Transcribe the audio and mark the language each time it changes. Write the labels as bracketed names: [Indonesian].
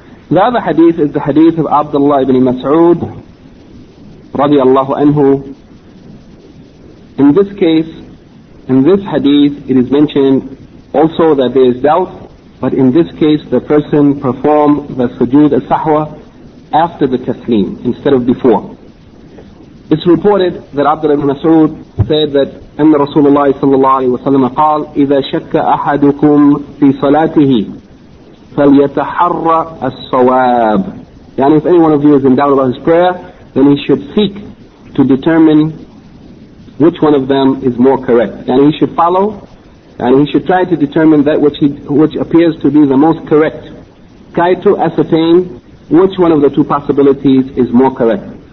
[English] The other hadith is the hadith of Abdullah ibn Mas'ud radiallahu anhu. In this case, in this hadith, it is mentioned also that there is doubt, but in this case the person performed the sujood as-sahwa after the taslim instead of before. It's reported that Abdullah ibn Mas'ud said that [Arabic] أن رسول الله صلى الله عليه وسلم قال إذا شك أحدكم في صلاته فليتحرى الصواب. [English] يعني if any one of you is in doubt about his prayer, then he should seek to determine which one of them is more correct. And he should follow, and he should try to determine that which appears to be the most correct. Try to ascertain which one of the 2 possibilities is more correct.